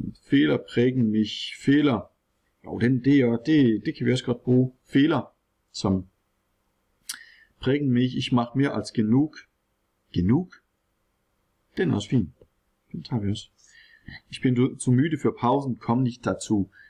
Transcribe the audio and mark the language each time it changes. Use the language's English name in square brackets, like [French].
[German] Fehler prägen mich, fehler. [Danish] Jo, den der, det kan vi også godt bruge. [German] Fehler, som prägen mich, ich mach mehr als genug. [Danish] Genug, den er også fin. Den tager vi også. [German] Ich bin zu müde für Pausen, komm nicht dazu.